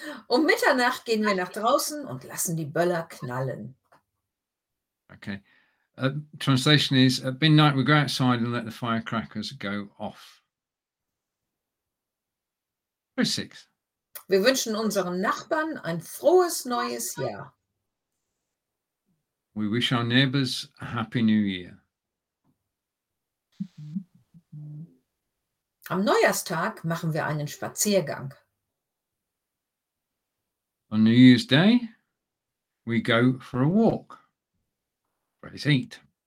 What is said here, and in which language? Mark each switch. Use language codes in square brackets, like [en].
[de] Um Mitternacht gehen wir nach draußen und lassen die Böller knallen. [en] Okay. Translation is, at midnight we go outside and let the firecrackers go off. Phrase 6. [de] Wir wünschen unseren Nachbarn ein frohes neues Jahr. [en] We wish our neighbours a happy new year. [de] Am Neujahrstag machen wir einen Spaziergang. [en] On New Year's Day, we go for a walk. Phrase 8.